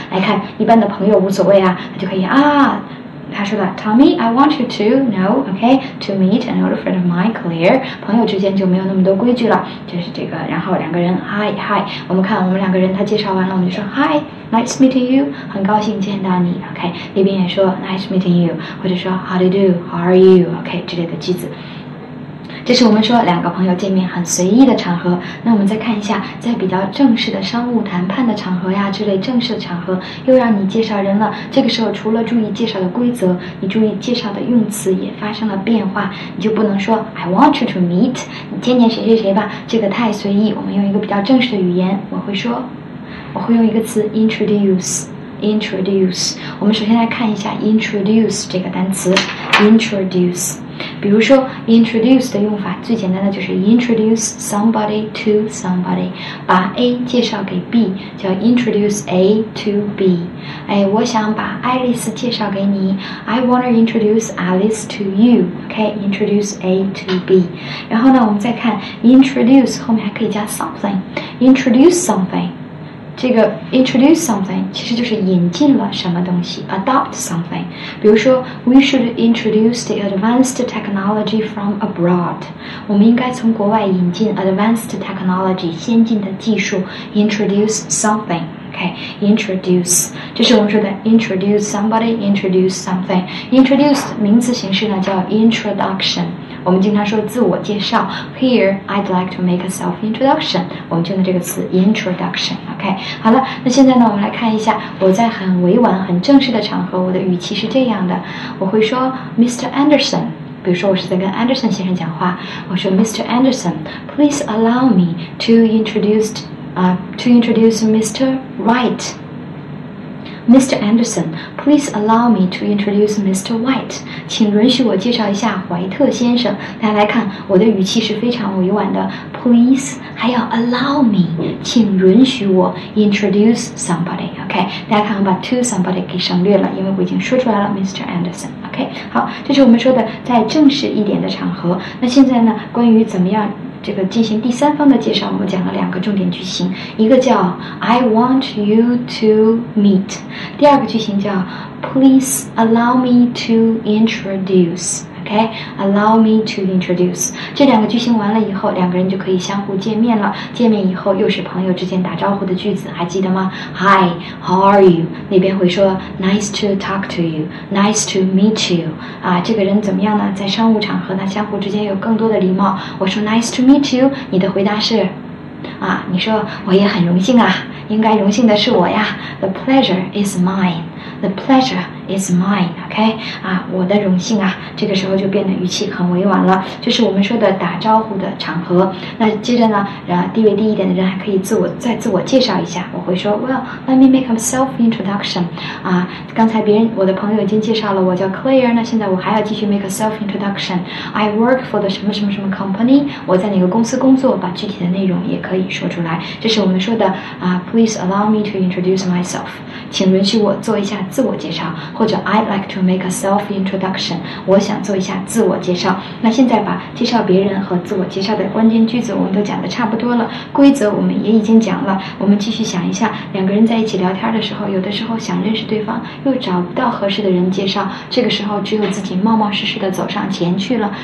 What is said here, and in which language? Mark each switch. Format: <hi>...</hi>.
<zh>来看，一般的朋友无所谓啊，他就可以啊，他说了</zh> <en>Tommy I want you to know OK to meet an old friend of mine Claire，</en> <zh>朋友之间就没有那么多规矩了，就是这个。然后两个人 Hi 我们看，我们两个人他介绍完了，我们就说</zh> <en>HiNice meeting you，</en> <zh>很高兴见到你。</zh> <en>OK，</en> <zh>那边也说</zh> <en>Nice meeting you，</en> <zh>或者说</zh> <en>How do you do， How are you， OK</en> <zh>之类的句子。这是我们说两个朋友见面很随意的场合。那我们再看一下，在比较正式的商务谈判的场合呀之类正式的场合，又让你介绍人了。这个时候除了注意介绍的规则，你注意介绍的用词也发生了变化。你就不能说</zh> <en>I want you to meet</en> <zh>你见见谁谁谁吧，这个太随意。我们用一个比较正式的语言，我会用一个词 introduce。我们首先来看一下 introduce 这个单词 introduce。比如说 introduce 的用法最简单的就是</zh> <en>introduce somebody to somebody，</en> <zh>把 A 介绍给 B 叫</zh> <en>introduce A to B。</en> <zh>哎，我想把爱丽丝介绍给你</zh> <en>I want to introduce Alice to you，</en> <zh>OK， introduce A to B。然后呢，我们再看 introduce 后面还可以加 something， introduce something，这个 introduce something 其实就是引进了什么东西， adopt something。</zh> <en>比如说 we should introduce the advanced technology from abroad，</en> <zh>我们应该从国外引进</zh> <en>advanced technology</en> <zh>先进的技术，</zh> <en>introduce something。</en> <zh>OK， introduce 这是我们说的 introduce somebody， introduce something。 introduce 名词形式呢叫 introduction，我们经常说自我介绍。</zh> <en>Here I'd like to make a self introduction，</en> <zh>我们就用这个词</zh> <en>introduction。</en> <zh>OK， 好了，那现在呢，我们来看一下，我在很委婉很正式的场合，我的语气是这样的，我会说 Mr. Anderson， 比如说我是在跟 Anderson 先生讲话，我说 Mr.</zh> <en>Anderson please allow me to introduce Mr. Wright。 Mr. Anderson please allow me to introduce Mr.</en> <zh>White，请允许我介绍一下怀特先生。大家来看，我的语气是非常委婉的 please 还要 allow me， 请允许我 introduce somebody。 OK， 大家看，我把 to somebody 给省略了，因为我已经说出来了 Mr.</zh> <en>Anderson。</en> <zh>OK， 好，这是我们说的在正式一点的场合。那现在呢，关于怎么样这个进行第三方的介绍，我们讲了两个重点句型，一个叫</zh> <en>I want you to meet，</en> <zh>第二个句型叫</zh> <en>Please allow me to introduce. OK, allow me to introduce.</en> <zh>这两个句型完了以后，两个人就可以相互见面了。见面以后又是朋友之间打招呼的句子，还记得吗？</zh> <en>Hi, how are you?</en> <zh>那边会说</zh> <en>Nice to talk to you. Nice to meet you.</en> <zh>啊，这个人怎么样呢？在商务场合呢，相互之间有更多的礼貌。我说</zh> <en>Nice to meet you.</en> <zh>你的回答是，啊，你说我也很荣幸啊。应该荣幸的是我呀。</zh> <en>The pleasure is mine. The pleasure is mine.</en> <zh>OK 啊，我的荣幸啊，这个时候就变得语气很委婉了，就是我们说的打招呼的场合。那接着呢，地位低一点的人还可以自我介绍一下。我会说 ，</zh> <en>Well, let me make a self introduction.</en> <zh>啊，刚才我的朋友已经介绍了，我叫 Claire。那现在我还要继续 make a self introduction.</zh> <en>I work for the</en> <zh>什么什么什么</zh> <en>company.</en> <zh>我在哪个公司工作？把具体的内容也可以说出来。这是我们说的啊 ，</zh> <en>Please allow me to introduce myself.</en> <zh>请允许我做一下自我介绍，或者</zh> <en>I'd like to make a self introduction.</en> <zh>我想做一下自我介绍。那现在把介绍别人和自我介绍的关键句子我们都讲的差不多了，规则我们也已经讲了。我们继续想一下，两个人在一起聊天的时候，有的时候想认识对方，又找不到合适的人介绍，这个时候只有自己冒冒失失的走上前去了。</zh>